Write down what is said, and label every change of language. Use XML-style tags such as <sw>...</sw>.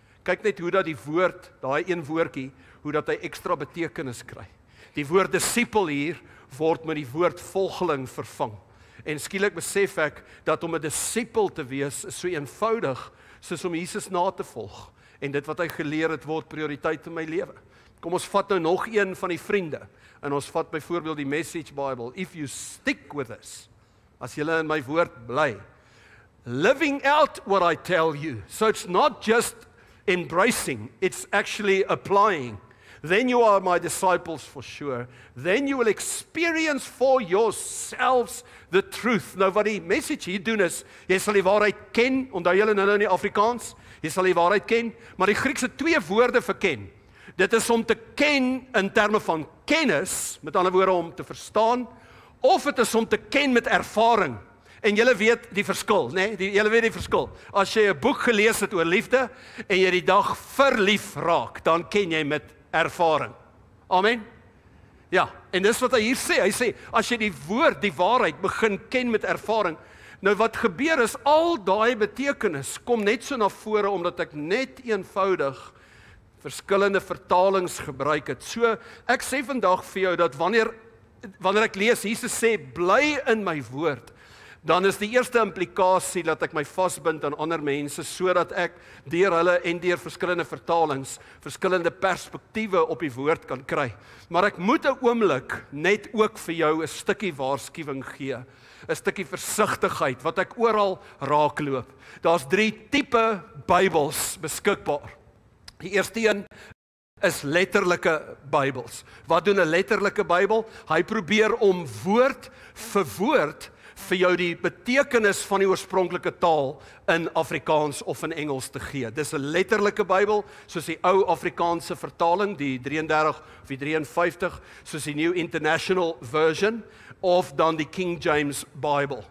<af>Kyk net hoe dat die woord, daai een woordjie, hoe dat hy extra betekenis kry. Die woord disciple hier word met die woord volgeling vervang. En skielik besef ek dat om 'n disciple te wees is so eenvoudig soos om Jesus na te volg. En dit wat hy geleer het word prioriteit in my lewe. Kom ons vat nou nog een van die vriende. En ons vat byvoorbeeld die Message Bible.</af> <en>If you stick with us,</en> <af>as jy in my woord bly,</af> <en>living out what I tell you. So it's not just embracing, it's actually applying. Then you are my disciples for sure. Then you will experience for yourselves the truth.</en> <af>Nou wat die message hier doen is, jy sal die waarheid ken, onthou julle nou in die Afrikaans, jy sal die waarheid ken, maar die Griekse twee woorde vir ken. Dit is om te ken in terme van kennis, met ander woorde om te verstaan, of het is om te ken met ervaring. En julle weet die verskil, nê? Nee? Julle weet die verskil. As jy 'n boek gelees het oor liefde, en jy die dag verlief raak, dan ken jy met ervaring. Amen? Ja, en dis wat hy hier sê. Hy sê, as jy die woord, die waarheid, begin ken met ervaring, nou wat gebeur is, al daai betekenis kom net so na vore, omdat ek net eenvoudig verskillende vertalings gebruik het. So, ek sê vandag vir jou, dat wanneer ek lees, Jesus sê, bly in my woord, dan is die eerste implikasie, dat ek my vasbind aan ander mense, so dat ek deur hulle en deur verskillende vertalings, verskillende perspektiewe op die woord kan kry. Maar ek moet 'n oomblik net ook vir jou een stukkie waarskuwing gee, een stukkie versigtigheid, wat ek ooral raakloop. Daar's drie type Bybels beskikbaar. Die eerste een is letterlike Bybels. Wat doen 'n letterlike Bybel? Hy probeer om woord vir woord vir jou die betekenis van die oorspronklike taal in Afrikaans of in Engels te gee. Dis 'n letterlike Bybel, soos die ou Afrikaanse vertaling, die 33 of die 53, soos die New International Version, of dan die King James Bible.</af>